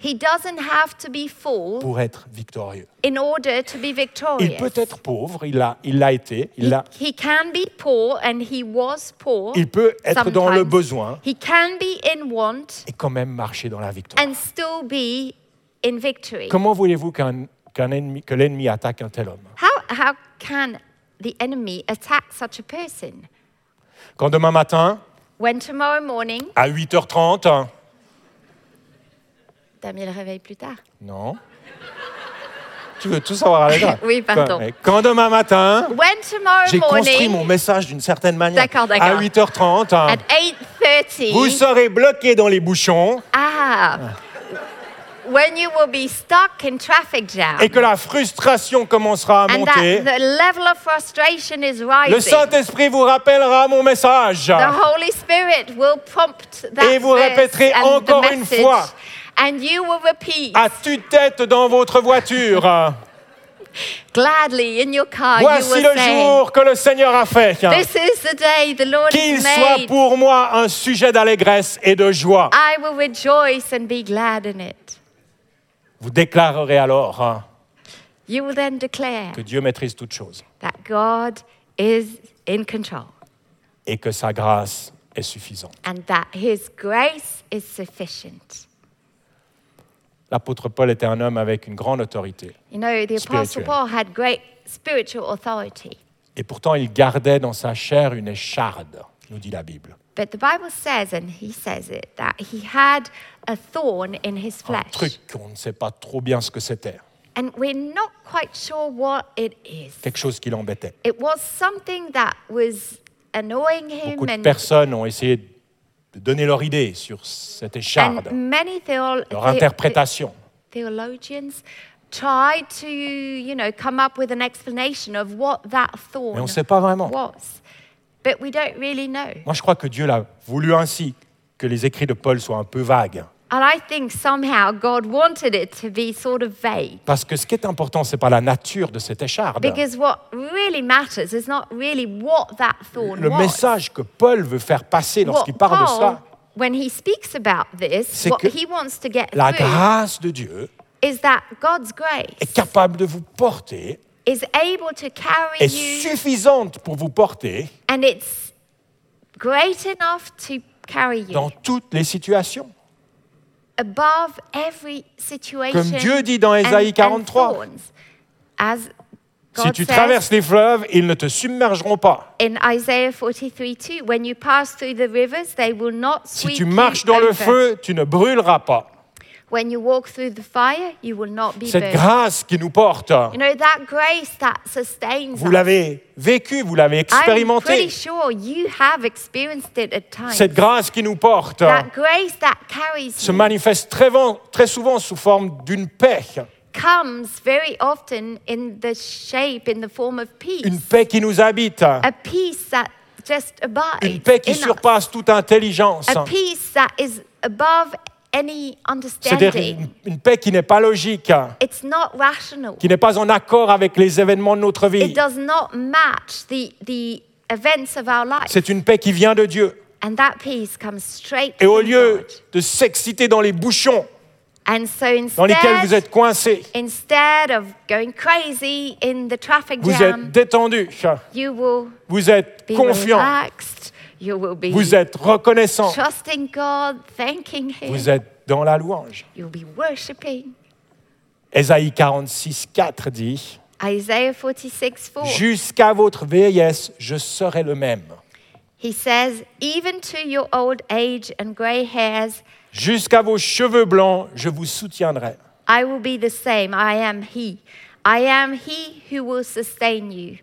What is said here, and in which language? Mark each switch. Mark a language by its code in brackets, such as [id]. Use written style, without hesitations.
[en] He doesn't have to be full. [fr] Pour être victorieux. [en] In order to be victorious. [fr] Il peut être pauvre. Il l'a été. [en] He can be poor, and he was poor. [fr] Il peut être [en] sometimes. [fr] Dans le besoin. [en] He can be in want. [fr] Et quand même marcher dans la victoire. [en] And still be in victory. [fr] Comment voulez-vous que l'ennemi attaque un tel homme? [en] How can the enemy attack such a person? [fr] Quand demain matin. [en] When tomorrow morning? [fr] À 8h30. T'as mis le réveil plus tard? Non. Tu veux tout savoir à la grâce? Oui, pardon. Quand demain matin? [en] When tomorrow morning? [fr] J'ai construit mon message d'une certaine manière. D'accord. À 8h30. [en] At 8:30. [fr] Vous serez bloqué dans les bouchons. Ah. [en] When you will be stuck in traffic jam. [fr] Et que la frustration commencera à monter. [en] And that the level of frustration is rising. [fr] Le Saint-Esprit vous rappellera mon message. [en] The Holy Spirit will prompt that. [fr] Et vous répéterez encore une fois. [en] And you will repeat. [fr] À tue-tête dans votre voiture. [en] Gladly in your car. [fr] Voici le jour que le Seigneur a fait. [en] This is the day the Lord has made. [fr] Qu'il soit pour moi un sujet d'allégresse et de joie. [en] I will rejoice and be glad in it. [fr] Vous déclarerez alors [en] you will then declare [fr] que Dieu maîtrise toutes choses. [en] That God is in control. [fr] Et que sa grâce est suffisante. [en] And that his grace is sufficient. [fr] L'apôtre Paul était un homme avec une grande autorité. [en] You know, the apostle Paul had great spiritual authority. [fr] Et pourtant il gardait dans sa chair une écharde, nous dit la Bible. [en] But the Bible says, and he says it, that he had a thorn in his flesh. [fr] Un truc qu'on ne sait pas trop bien ce que c'était. [en] And we're not quite sure what it is. [fr] Quelque chose qui l'embêtait. [en] It was something that was annoying him. [fr] Beaucoup de personnes ont essayé de donner leur idée sur cette écharde. [en] And many [fr] leur interprétation. [en] Theologians tried to, you know, come up with an explanation of what that thorn was. [fr] Mais on ne sait pas vraiment. [en] Was. But we don't really know. [fr] Moi, je crois que Dieu l'a voulu ainsi, que les écrits de Paul soient un peu vagues. [en] And I think somehow God wanted it to be sort of vague. [fr] Parce que ce qui est important, c'est pas la nature de cette écharde. [en] Because what really matters is not really what that thorn [fr] le [en] was. [fr] Le message que Paul veut faire passer lorsqu'il parle de ça, [en] when he speaks about this, [fr] c'est [en] what he wants to get [fr] la grâce de Dieu [en] is that God's grace [fr] est capable de vous porter. [en] Is able to carry [fr] est suffisante pour vous porter [en] and it's great enough to carry you [fr] dans toutes les situations. [en] Above every situation [fr] comme Dieu dit dans Ésaïe 43, [en] and thorns, as God [fr] si tu [en] says, [fr] traverses les fleuves, ils ne te submergeront pas. [en] In Isaiah 43:2, when you pass through the rivers, they will not sweep [fr] si tu marches dans le feu, tu ne brûleras pas. [en] When you walk through the fire, you will not be burned. [fr] Cette grâce qui nous porte. [en] You know, that grace that sustains [fr] vous l'avez vécu, vous l'avez expérimenté. [en] I'm pretty sure you have experienced it at times. [fr] Cette grâce qui nous porte. [en] That grace that carries [fr] se manifeste très souvent sous forme d'une paix. [en] Comes very often in the shape, in the form of peace. [fr] Une paix qui nous habite. [en] A peace that just abides. [fr] Une paix qui surpasse toute intelligence. [en] A peace that is above any understanding. [fr] C'est-à-dire une paix qui n'est pas logique. [en] It's not rational. [fr] Qui n'est pas en accord avec les événements de notre vie. [en] It does not match the events of our life. [fr] C'est une paix qui vient de Dieu. [en] And that peace comes straight [fr] et au lieu [en] God. [fr] De s'exciter dans les bouchons [en] and so instead, [fr] dans lesquels vous êtes coincé, [en] instead of going crazy in the traffic jam, [fr] vous êtes détendu. [en] You will [fr] vous êtes [en] be [fr] confiant. [en] Relaxed. You will be [fr] vous êtes reconnaissant. [en] Trusting God, thanking him. [fr] Vous êtes dans la louange. [en] You will be worshiping. [fr] Ésaïe 46:4 dit. [en] Isaiah 46:4. [fr] Jusqu'à votre vieillesse, je serai le même. [en] He says, even to your old age and gray hairs. [fr] Jusqu'à vos cheveux blancs, je vous soutiendrai. [en] I will be the same. I am he. I am he who will sustain you.